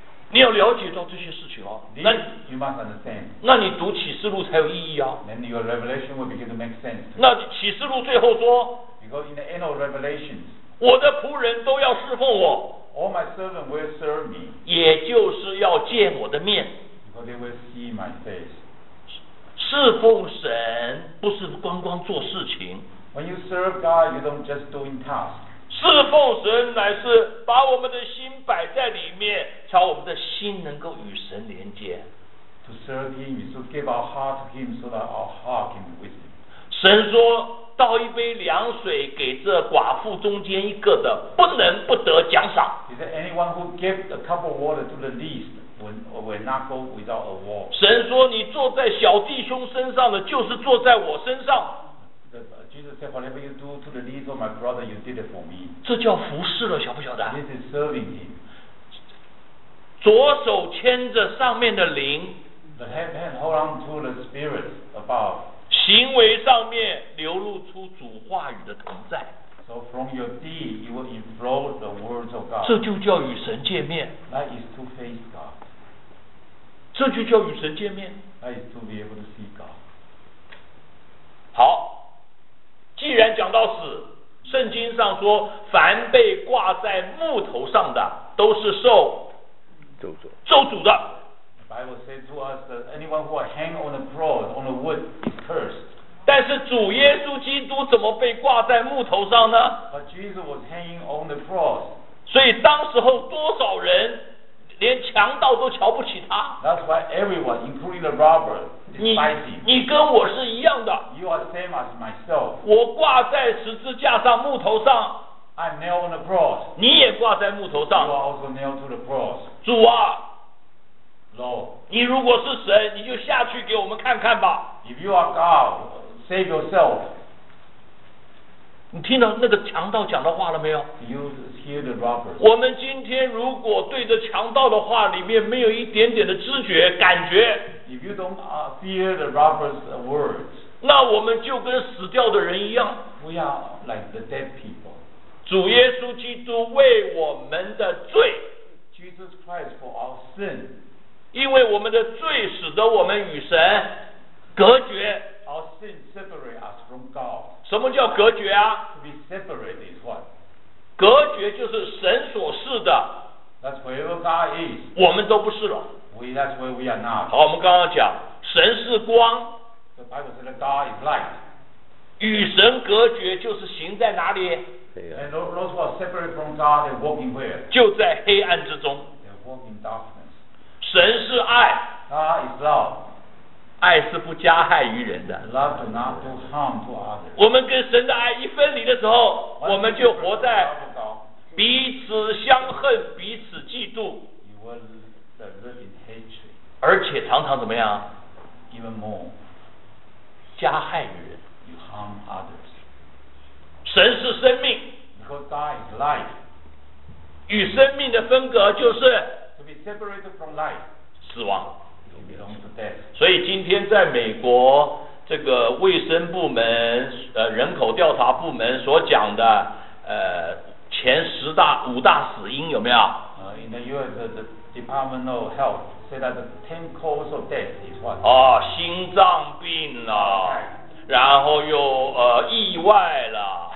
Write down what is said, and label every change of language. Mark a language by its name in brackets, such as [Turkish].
[Chinese] 你要了解到这些事情哦，那 [English] you must understand. [Chinese] 那你读启示录才有意义啊。 [English] Then your revelation will begin to make sense. [Chinese] 那启示录最后说， [English] Because in the end of revelations, [Chinese] 我的仆人都要侍奉我， [English] All my servant will serve me. [Chinese] 也就是要见我的面， [English] Because they will see my face. [Chinese] 侍奉神不是光光做事情。 [English] When you serve God, you don't just doing tasks. [Chinese] 侍奉神乃是把我们的心摆在里面，朝我们的心能够与神连接。 [English] To serve him, we should give our heart to him so that our heart can be with him. [Chinese] 神说，倒一杯凉水给这寡妇中间一个的，不能不得奖赏。 [English] Is there anyone who gives a cup of water to the least will not go without a reward? [Chinese] 神说，你坐在小弟兄身上的，就是坐在我身上。 [English] Jesus said, "Whatever you do to the least of my brother, you did it for me." [Chinese] 这叫服侍了，晓不晓得？ [English] This is serving him. [Chinese] 左手牵着上面的灵， [English] the left hand hold on to the spirit above. [Chinese] 行为上面流露出主话语的同在。 [English] So from your deed, you will inflow the words of God. [Chinese] 这就叫与神见面。 [English] That is to face God. [Chinese] 这就叫与神见面。 [English] That is to be able to see God. [Chinese] 好。既然讲到死，圣经上说凡被挂在木头上的都是受咒诅的。 [English] The Bible says to us that anyone who are hanged on a cross on a wood is cursed. [Chinese] 但是主耶稣基督怎么被挂在木头上呢？ [English] But Jesus was hanging on the cross. [Chinese] 所以当时候多少人连强盗都瞧不起他。 [English] That's why everyone including the robber [Chinese] 你跟我是一样的。 [English] You are same as myself. [Chinese] 我挂在十字架上木头上。 [English] I'm nailed on the cross. [Chinese] 你也挂在木头上。 [English] You are also nailed to the cross. [Chinese] 主啊。 [English] Lord. [Chinese] 你如果是神，你就下去给我们看看吧。 [English] If you are God, save yourself. [Chinese] 你听到那个强盗讲的话了没有？ [English] You hear the robbers. [Chinese] 我们今天如果对着强盗的话里面没有一点点的知觉感觉。 [English] If you don't fear the robber's words, [Chinese] 那我们就跟死掉的人一样。 [English] We are like the dead people. [Chinese] 主耶稣基督为我们的罪。 [English] Jesus Christ for our sin. [Chinese] 因为我们的罪使得我们与神隔绝。 [English] Our sin separates us from God. [Chinese] 什么叫隔绝啊？ [English] To be separated is what? [Chinese] 隔绝就是神所示的。 [English] That's wherever God is. [Chinese] 我们都不是了。 [English] That's where we are now. [Chinese] 好，我们刚刚讲，神是光。 [English] The Bible says that God is light. [Chinese] 与神隔绝就是行在哪里？ [English] And those who are separated from God, they're walking where? [Chinese] 就在黑暗之中。 [English] They're walking in darkness. [Chinese] 神是爱。 [English] God is love. [Chinese] 爱是不加害于人的。 [English] Love does not do harm to others. [Chinese] 我们跟神的爱一分离的时候，我们就活在彼此相恨、彼此嫉妒。 [English] You will live in hatred. [Chinese] 而且常常怎么样 [English] ？Even more. [Chinese] 加害于人。 [English] You harm others. [Chinese] 神是生命。 [English] Because God is life. [Chinese] 与生命的分隔就是 [English] to be separated from life. [Chinese] 死亡。所以今天在美国这个卫生部门人口调查部门所讲的前十大五大死因有没有？ [English] In the US the Department of Health said that the 10 cause of death is what? [Chinese] 哦，心脏病了，然后又意外了，